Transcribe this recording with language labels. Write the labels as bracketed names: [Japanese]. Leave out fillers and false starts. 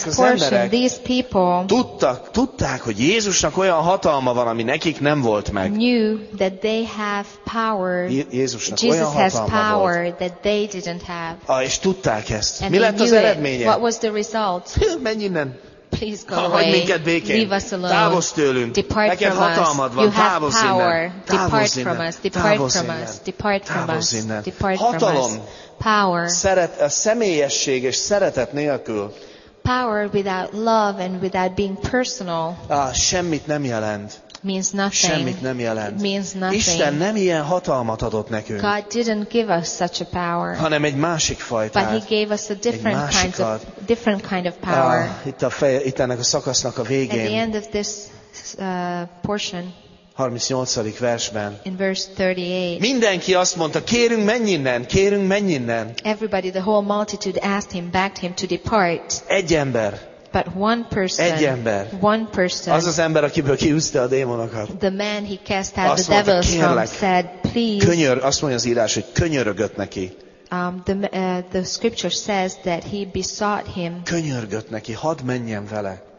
[English] this portion, these people [Hungarian] tudták, hogy Jézusnak olyan hatalma van, ami nekik nem volt meg. [English] Knew that they have power. [Hungarian] Jézusnak [English] Jesus [Hungarian] olyan hatalma [English] has power [Hungarian] volt, [English] that they didn't have. [Hungarian] És tudták ezt. [English] And [Hungarian] mi lett az eredménye? [English] It. What was the result? [Hungarian] Menj innen. [English] Please go away. Leave us alone. [Hungarian] Távozz tőlünk. [English] Depart [Hungarian] neked [English] from [Hungarian] hatalmad [English] us [Hungarian] van. [English] You have [Hungarian] távozz [English] power [Hungarian] innen. [English] Depart [Hungarian] innen [English] from us. Depart [Hungarian] távozz [English] from [Hungarian] innen [English] us. Depart from [Hungarian] távozz [English] us [Hungarian] innen. [English] Depart [Hungarian] hatalom [English] from us. Power. [Hungarian] Szeret, a személyesség és szeretet nélkül [English] power without love and without being personal [Hungarian] semmit nem jelent. [English] Means nothing. [Hungarian] Semmit nem jelent. [English] Means nothing. [Hungarian] Isten nem ilyen hatalmat adott nekünk. [English] God didn't give us such a power. [Hungarian] Hanem egy másik fajtát. [English] But he gave us a different kind of power. [Hungarian] Itt ennek a szakasznak a végén. [English] At the end of this portion. [Hungarian] 38. versben. [English] In verse 38. [Hungarian] Mindenki azt mondta, kérünk menj innen, kérünk menj innen. [English] Everybody, the whole multitude asked him, begged him to depart. [Hungarian] Egy ember. [English] But one person. [Hungarian] Egy ember. [English] One person. [Hungarian] Az az ember, akiből kiűzte a démonokat. [English] The man he cast out the devils from said, please. [Hungarian] Azt mondja az írás, hogy könyörögött neki. [English] The scripture says that he besought him. [Hungarian] Könyörgött neki, hadd menjen vele.